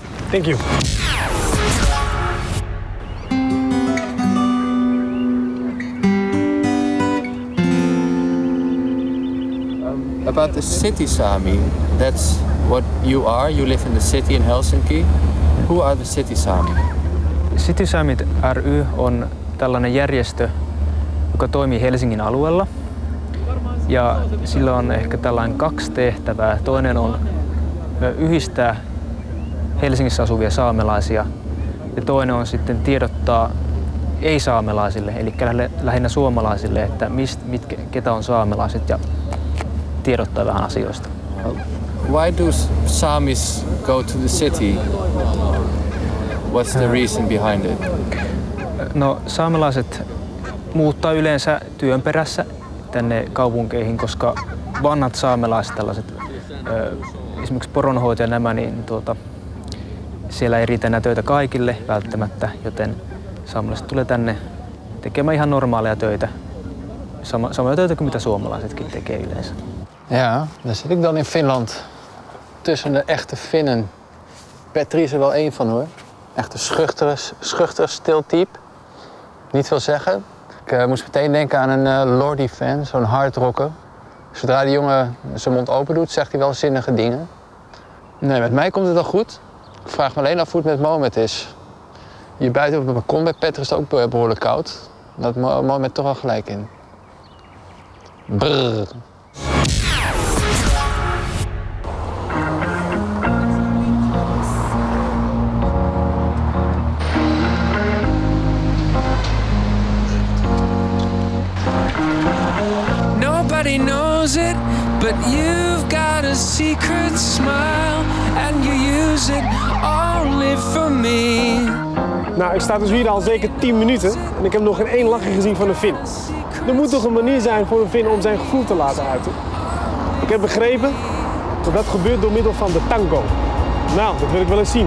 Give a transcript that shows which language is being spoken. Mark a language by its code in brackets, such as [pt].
[en] Thank you. About the city Sami, that's what you are. You live in the city in Helsinki. Who are the city Sami? [fi] City Samit ry on tällainen järjestö, joka toimii Helsingin alueella. Ja sillä on ehkä tällainen 2 tehtävää. Toinen on yhdistää Helsingissä asuvia saamelaisia. Ja toinen on sitten tiedottaa ei-saamelaisille, eli lähinnä suomalaisille, että ketä on saamelaiset ja tiedottaa vähän asioista. [en] Why do Samis go to the city? What's the reason behind it? [fi] No, saamelaiset muuttaa yleensä työn perässä tänne kaupunkeihin, koska vanhat saamelaiset, tällaiset, esimerkiksi poronhoitaja nämä, niin siellä ei riitä enää töitä kaikille välttämättä, joten saamelaiset tulee tänne tekemään ihan normaaleja töitä. Samoja töitä kuin mitä suomalaisetkin tekee yleensä. [nl] Ja, daar zit ik dan in Finland. Tussen de echte Finnen. Petri is er wel één van hoor. Echt een schuchter, stil type. Niet veel zeggen. Ik moest meteen denken aan een Lordi-fan, zo'n hardrocker. Zodra die jongen zijn mond open doet, zegt hij wel zinnige dingen. Nee, met mij komt het al goed. Ik vraag me alleen af hoe het met Mohamed is. Je buiten op het balkon bij Petter is het ook behoorlijk koud. Dat Mohamed toch al gelijk in. Brrr. [en] Nobody knows it, but you've got a secret smile and you use it only for me. [nl] Nou, ik sta dus hier al zeker 10 minuten en ik heb nog geen één lachje gezien van een Fin. Er moet toch een manier zijn voor een Fin om zijn gevoel te laten uiten. Ik heb begrepen dat dat gebeurt door middel van de tango. Nou, dat wil ik wel eens zien.